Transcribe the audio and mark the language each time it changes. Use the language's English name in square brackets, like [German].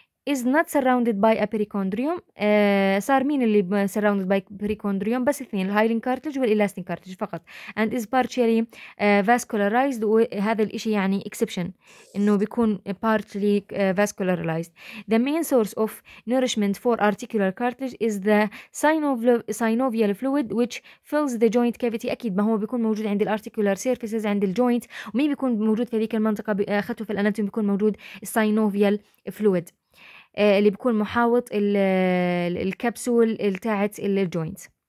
[English] is not surrounded by epicondrium. [Arabic] صار مين اللي [English] surrounded by epicondrium؟ [Arabic] بس اثنين، الهايلين كارتلج والإلاستين كارتلج فقط. [English] and is partially vascularized. [Arabic] هذا الاشي يعني exception، انه بيكون [English] partially vascularized. the main source of nourishment for articular cartilage is the synovial fluid which fills the joint cavity. [Arabic] اكيد ما هو بيكون موجود عند الarticular surfaces عند الجوينت، ومين بيكون موجود في ذيك المنطقة خطوة في الاناتومي؟ بيكون موجود synovial fluid اللي بيكون محاوط الكبسول بتاعت الجوينت.